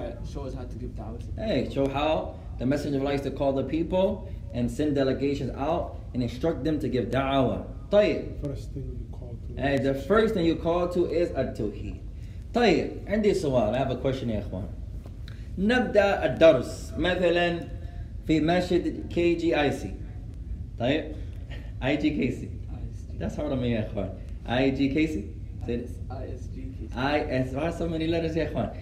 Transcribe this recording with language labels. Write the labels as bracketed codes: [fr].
[en] Shows how to give da'wah. Hey, show how the Messenger of Allah is to call the people and send delegations out and instruct them to give da'wah. [ar] طيب. [en] First thing you call to. Hey, the first thing you call to is at-tawheed. [ar] طيب. عندي سؤال. [en] I have a question, [ar] يا إخوان. نبدأ الدرس مثلا في مسجد KGIC. طيب. IGKC. [en] That's hard on me, [ar] يا إخوان. [en] IGKC. ISGKC. Why so many letters, [ar] يا إخوان?